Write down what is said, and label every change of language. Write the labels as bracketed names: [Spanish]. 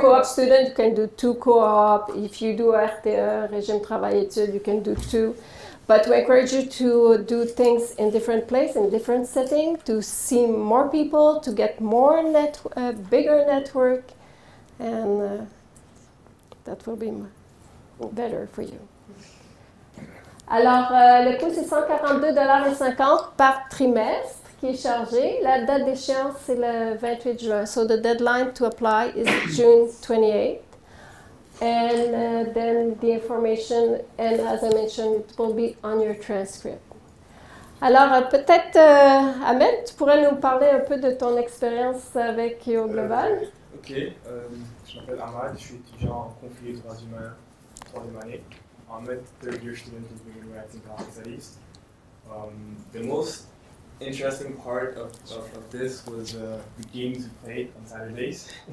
[English] co-op student, you can do 2 co-op. If you do RTE, Régime Travail Études, you can do 2. But we encourage you to do things in different place, in different setting, to see more people, to get more bigger network, and that will be better for you. [French] Alors, le coût, c'est $142.50 par trimestre qui est chargé. La date d'échéance, c'est le 28 juin. [English] So, the deadline to apply is June 28. And then the information, and as I mentioned, it will be on your transcript. [French] Alors, peut-être, Ahmed, tu pourrais nous parler un peu de ton expérience avec uOGlobal? OK. Je m'appelle Ahmed. Je suis étudiant en conflit des droits humains troisième année. [English] I'm a third-year student in human rights and conflict studies. The most interesting part of this was the games we played on Saturdays.